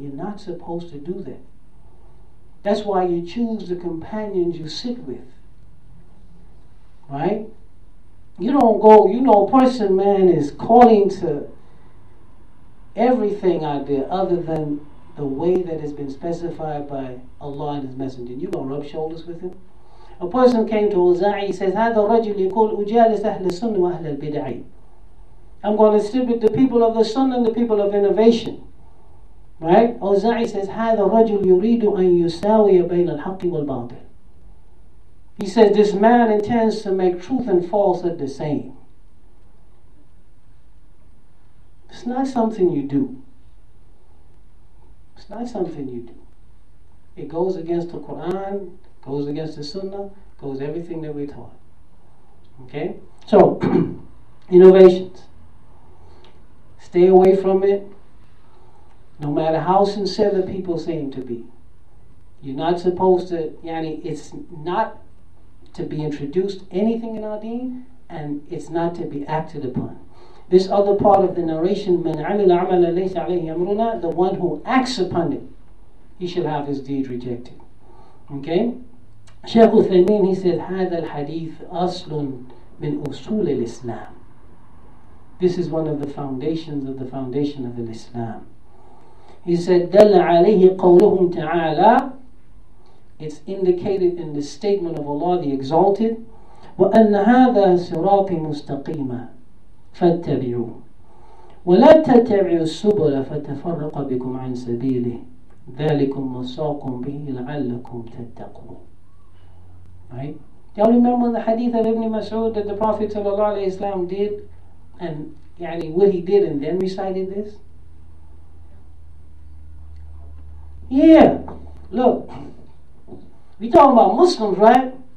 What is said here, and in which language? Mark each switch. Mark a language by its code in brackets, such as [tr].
[en] You're not supposed to do that. That's why you choose the companions you sit with. Right? You don't go, you know, a person, man, is calling to everything out there other than the way that has been specified by Allah and His Messenger. You're going to rub shoulders with him? A person came to Uza'i, he says, [ar] هذا الرجل يقول أجالس أهل السنة وأهل البدع. [en] I'm going to sit with the people of the sunnah and the people of innovation. Right? Uza'i says, [ar] هذا الرجل يريد أن يساوي بين الحق والباطل. [en] He says, this man intends to make truth and falsehood the same. It's not something you do. It's not something you do. It goes against the Quran, goes against the Sunnah, goes everything that we're taught. Okay? So, innovations. Stay away from it. No matter how sincere the people seem to be. You're not supposed to, it's not to be introduced anything in our deen, and it's not to be acted upon. This other part of the narration, [ar] من عمل عمل ليس عليه أمرنا, [en] the one who acts upon it, he shall have his deed rejected. Okay? Shaykh Uthaymeen, he said, [ar] هذا الحديث أصل من أصول الإسلام. [en] This is one of the foundations of the foundation of the Islam. He said, [ar] دل عليه قولهم تعالى, [en] it's indicated in the statement of Allah the Exalted, [ar] وأن هذا صراطي مستقيما فاتبعوا ولا تتبعوا السبل فتفرق بكم عن سبيله ذلكم وصاكم به لعلكم تتقون. [en] Right? Do you remember the hadith of Ibn Mas'ud that the Prophet sallallahu alayhi wa sallam did, and what he did and then recited this? Yeah. Look, we talking about Muslims, right?